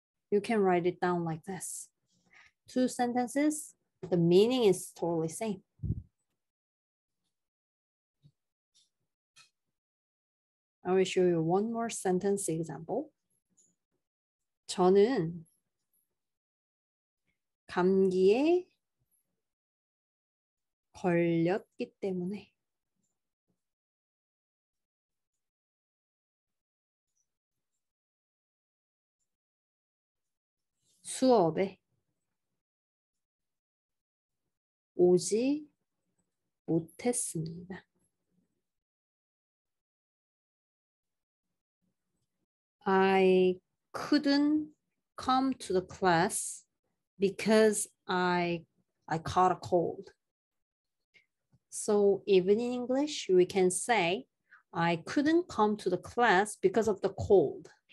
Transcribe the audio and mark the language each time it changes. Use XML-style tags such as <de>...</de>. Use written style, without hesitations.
<en>You can write it down like this. Two sentences, the meaning is totally same. I will show you one more sentence example.</en> <ko>저는 감기에 걸렸기 때문에. 수업에 오지 못했습니다.</ko> <en>아이 couldn't come to the class because I caught a cold. So even in English, we can say, I couldn't come to the class because of the cold.</en>